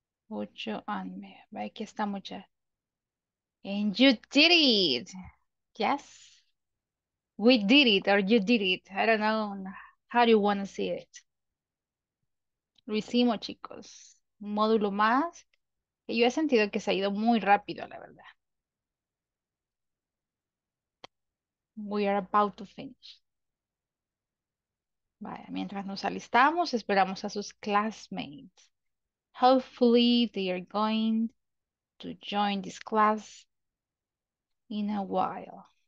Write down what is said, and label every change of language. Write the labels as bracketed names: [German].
[Spanish] Ocho años. Vaya, aquí está mucha. [English] And you did it. Yes. We did it, or you did it. I don't know how you want to see it. [Spanish] Lo hicimos, chicos. Un módulo más. Y yo he sentido que se ha ido muy rápido, la verdad. [English] We are about to finish. [Spanish] Vaya, mientras nos alistamos, esperamos a sus classmates. [English] Hopefully, they are going to join this class in a while.